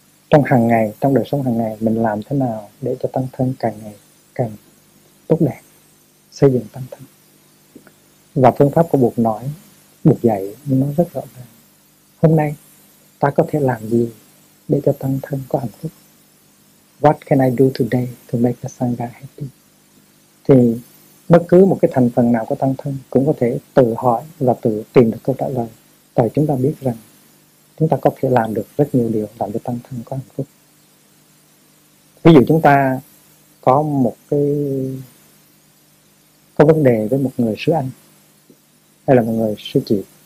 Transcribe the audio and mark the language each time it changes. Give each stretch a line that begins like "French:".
Vietnamese: Trong hàng ngày, trong đời sống hàng ngày, mình làm thế nào để cho tăng thân càng ngày càng tốt đẹp, xây dựng tăng thân. Và phương pháp của Bụt nói, Bụt dạy nó rất rõ ràng. Hôm nay ta có thể làm gì để cho tăng thân có hạnh phúc?
English: What can I do today to make the Sangha happy?
Vietnamese: Thì bất cứ một cái thành phần nào của tăng thân cũng có thể tự hỏi và tự tìm được câu trả lời. Tại chúng ta biết rằng chúng ta có thể làm được rất nhiều điều làm cho tăng thân có hạnh phúc. Ví dụ chúng ta có một cái có vấn đề với một người sư anh hay là một người sư chị.